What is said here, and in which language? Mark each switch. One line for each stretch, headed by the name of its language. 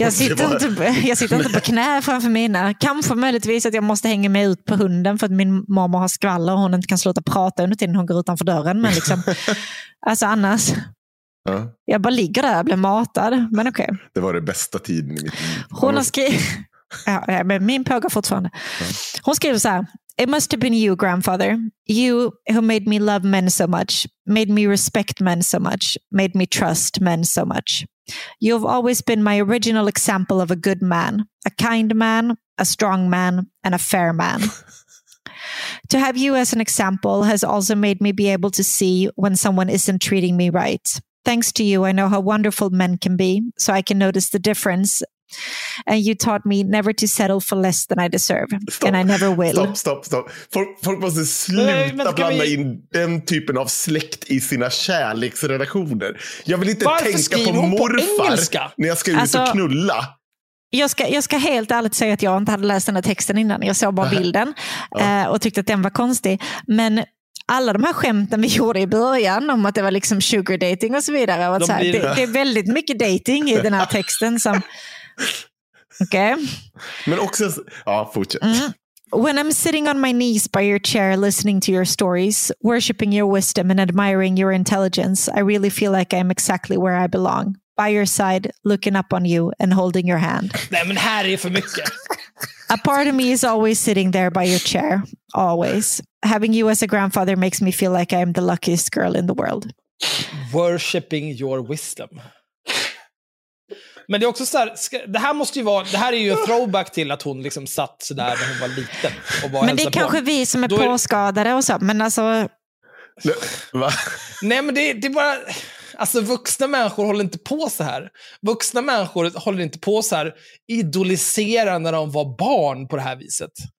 Swedish: Jag sitter inte på knä framför mina. Kanske möjligtvis att jag måste hänga mig ut på hunden för att min mamma har skvaller och hon inte kan sluta prata under tiden hon går utanför dörren. Men liksom, alltså annars... Ja. Jag bara ligger där och blir matad, men okej.
English: Okay.
Swedish: Det var det bästa tiden i mitt liv. Hon har skrivit... Ja, men min pågår fortfarande. Ja. Hon skriver så här:
English: It must have been you, grandfather. You who made me love men so much, made me respect men so much, made me trust men so much. You've always been my original example of a good man. A kind man, a strong man, and a fair man. To have you as an example has also made me be able to see when someone isn't treating me right. Thanks to you, I know how wonderful men can be, so I can notice the difference. And you taught me never to settle for less than I deserve. Stop. And I never will.
Swedish: Stopp, stopp, stopp. Folk måste sluta blanda in den typen av släkt i sina kärleksrelationer. Jag vill inte tänka på morfar på när jag ska ut alltså, och knulla. Jag ska helt ärligt säga att jag inte hade läst den här texten innan. Jag såg bara bilden och tyckte att den var konstig. Men... alla de här skämten vi gjorde i början om att det var liksom sugar dating och så vidare. Och så här, det är väldigt mycket dating i den här texten. Som... Okej. Okay. Men också... Ja, fortsätt. Mm.
English: When I'm sitting on my knees by your chair listening to your stories, worshipping your wisdom and admiring your intelligence, I really feel like I'm exactly where I belong. By your side, looking up on you and holding your hand.
Swedish: Nej, men här är för mycket.
English: A part of me is always sitting there by your chair. Always. Having you as a grandfather makes me feel like I'm the luckiest girl in the world. Worshipping your wisdom.
Swedish: Men det är också så här, det här måste ju vara, det här är ju en throwback till att hon liksom satt så där när hon var liten. Och men det är kanske på. Vi som är påskadade och så, men alltså... Va? Nej, men det är bara... Alltså, vuxna människor håller inte på så här. Vuxna människor håller inte på så här, idoliserar när de var barn på det här viset.